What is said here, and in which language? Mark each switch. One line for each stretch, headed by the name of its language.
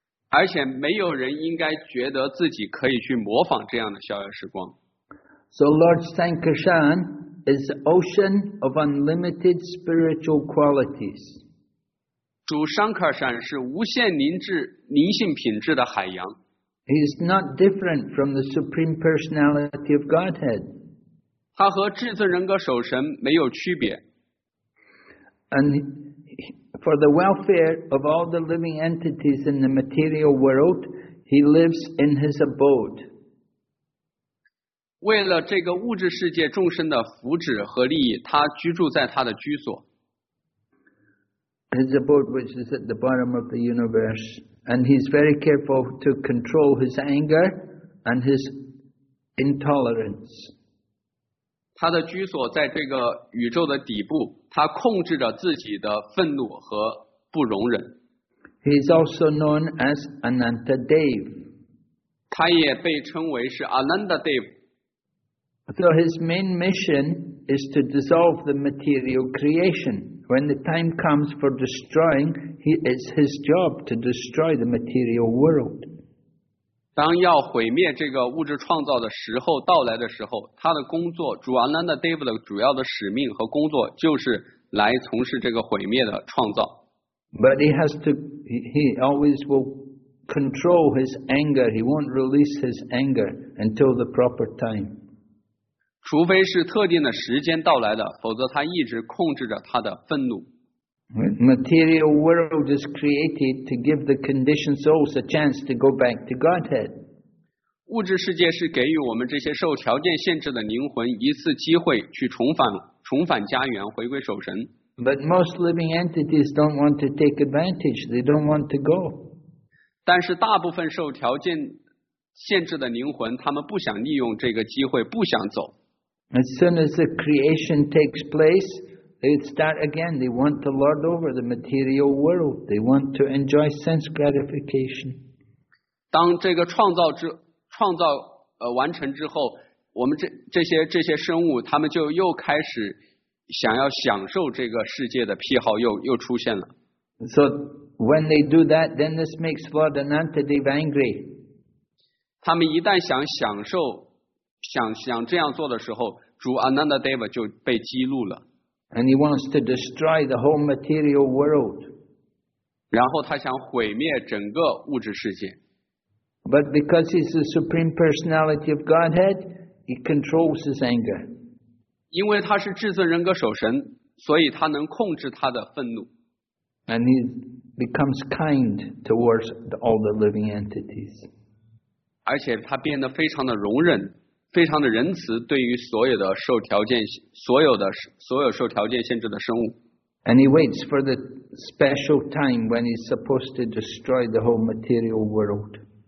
Chinese: 而且没有人应该觉得自己可以去模仿这样的逍遥时光。
English: So Lord Sankarshan is the ocean of unlimited spiritual qualities.
Chinese: 主 Sankarshan 是无限灵性品质的海洋。
English: He is not different from the Supreme Personality of Godhead.
Chinese: 他和至尊人格守神没有区别。
English: And for the welfare of all the living entities in the material world, he lives in his abode.
Chinese: 为了这个物质世界众生的福祉和利益，他居住在他的居所。
English: His abode, which is at the bottom of the universe, and he's very careful to control his anger and his intolerance.
Chinese: 他的居所在这个宇宙的底部，他控制着自己的愤怒和不容忍。
English: He's also known as Ananta Dev.
Chinese: 他也被称为是 Ananda Dev.
English: So his main mission is to dissolve the material creation. When the time comes for destroying, it's his job to destroy the material world.
Chinese: 当要毁灭这个物质创造的时候到来的时候，他的工作，主阿兰的 Dave 的主要的使命和工作就是来从事这个毁灭的创造。
English: But he always will control his anger. He won't release his anger until the proper time.
Chinese: 除非是特定的时间到来的，否则他一直控制着他的愤怒。
English: Material world is created to give the conditioned souls a chance to go back to Godhead.
Chinese: 物质世界是给予我们这些受条件限制的灵魂一次机会去重返家园，回归守神。
English: But most living entities don't want to take advantage. They don't want to go.
Chinese: 但是大部分受条件限制的灵魂，他们不想利用这个机会，不想走。
English: As soon as the creation takes place, they start again. They want to lord over the material world. They want to enjoy sense gratification.
Chinese: 当这个创造完成之后，我们这些生物，他们就又开始想要享受这个世界的癖好又出现了。
English: So when they do that, then this makes Lord Anantadeva angry.
Chinese: 他们一旦想享受，想这样做的时候，主 Anantadeva 就被激怒了。
English: And he wants to destroy the whole material world.
Chinese: 然后他想毁灭整个物质世界。
English: But because he's the Supreme Personality of Godhead, he controls his anger.
Chinese: 因为他是至尊人格守神，所以他能控制他的愤怒。
English: And he becomes kind towards all the living entities.
Chinese: 而且他变得非常的容忍，非常的仁慈，对于所有受条件限制的生物。
English: And he waits for the special time when he's supposed to destroy the whole material world.